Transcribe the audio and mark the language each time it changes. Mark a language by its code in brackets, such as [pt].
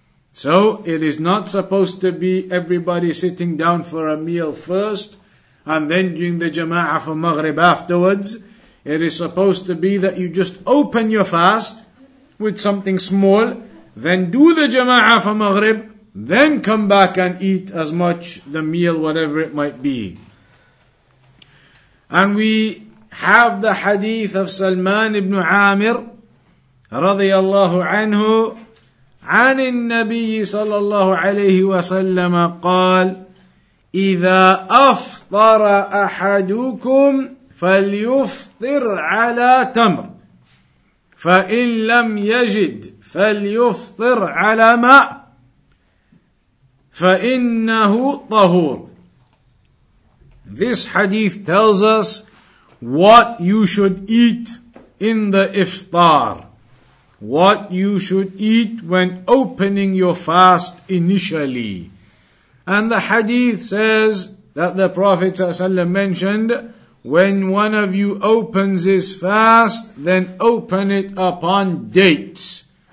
[en] So it is not supposed to be everybody sitting down for a meal first and then doing the jama'ah for Maghrib afterwards. It is supposed to be that you just open your fast with something small, then do the jama'ah for Maghrib, then come back and eat as much the meal, whatever it might be. And we have the hadith of Salman ibn Amir radiyallahu anhu [ar] عن النبي صلى الله عليه وسلم قال إذا أفطر أحدكم فليفطر على تمر فإن لم يجد فليفطر على ماء فإنه طهور. [en] This hadith tells us what you should eat in the iftar. What you should eat when opening your fast initially. And the hadith says that the Prophet ﷺ mentioned, when one of you opens his fast, then open it upon dates.